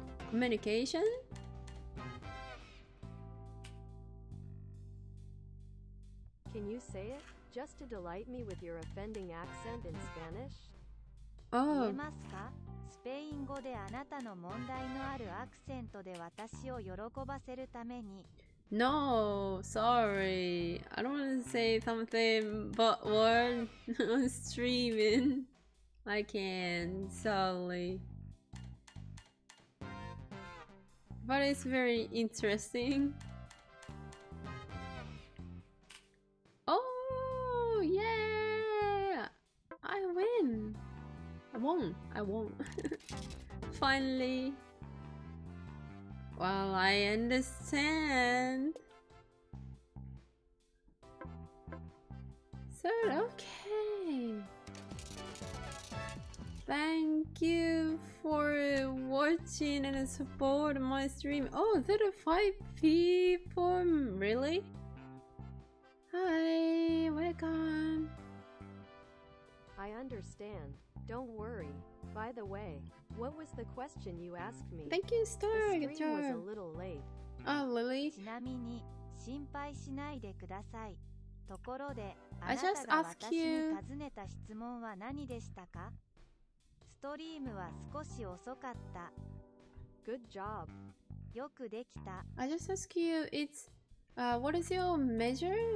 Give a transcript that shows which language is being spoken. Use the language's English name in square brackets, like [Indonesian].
[English] Communication? Can you say it? Just to delight me with your offending accent in Spanish? Oh. [Japanese] スペイン語であなたの問題のあるアクセントで私を喜ばせるために。 [English] No, sorry. I don't want to say something but word on streaming. I can't, sorry. But it's very interesting. Oh, yeah! I win! I won. Finally. Well, I understand. So, okay. Thank you for watching and support my stream. Oh, there are 5 people. Really? Hi, welcome. I understand. Don't worry. By the way, what was the question you asked me? Thank you, Star. The stream was a little late. Oh, Lily. [Japanese] ちなみに、心配しないでください。ところで、あなたが私に尋ねた質問は何でしたか？ストリームは少し遅かった。 [English] Good job. [Japanese] よくできた。 [English] I just ask you, it's, what is your major?